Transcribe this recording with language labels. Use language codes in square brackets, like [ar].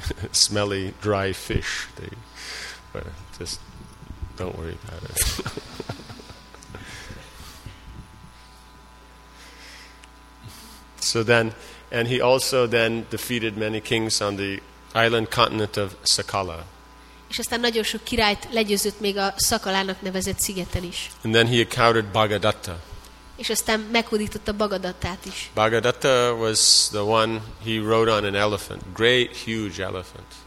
[en] Smelly, dry fish. But just don't worry about it. So then, and he also then defeated many kings on the island continent of Sakala. [hu] És aztán nagyon sok királyt legyőzött még a Szakalának nevezett szigeten is. [en] And then he encountered Bhagadatta. [hu] És aztán meghódította Bhagadattát is. [en] Bhagadatta was the one he rode on an elephant, great huge elephant.